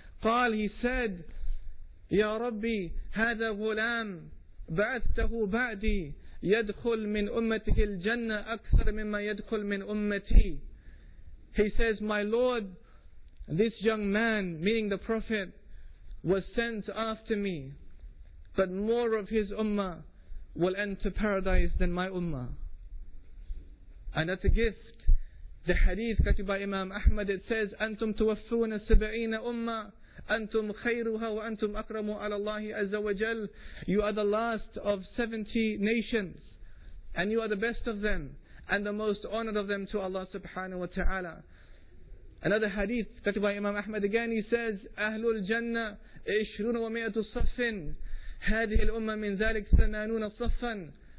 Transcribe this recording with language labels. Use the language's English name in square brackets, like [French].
[Arabic] قال, [English] he said, [Arabic] يَا رَبِّي هَذَا غُلَامْ بَعَثْتَهُ بَعْدِي يَدْخُلْ مِنْ أُمَّتِهِ الْجَنَّةِ أَكْثَرَ مِمَّا يَدْخُلْ مِنْ أُمَّتِي. [English] He says, my Lord, this young man, meaning the Prophet, was sent after me, but more of his ummah will enter paradise than my ummah. And that's a gift. The hadith cited by Imam Ahmad, it says, [Arabic] أَنْتُمْ تُوَفُّونَ سَبْعِينَ أُمَّةِ أَنْتُمْ خَيْرُهَا وَأَنْتُمْ أَكْرَمُوا عَلَى اللَّهِ عَزَّ وَجَلَّ. [English] You are the last of 70 nations, and you are the best of them, and the most honored of them to Allah subhanahu wa ta'ala. Another hadith, cited by Imam Ahmad again, he says, [Arabic] أَهْلُ الْجَنَّةِ 20 و100 صَفٍ هَذِهِ الْأُمَّةِ مِنْ ذَلِكَ 80 صَفًا.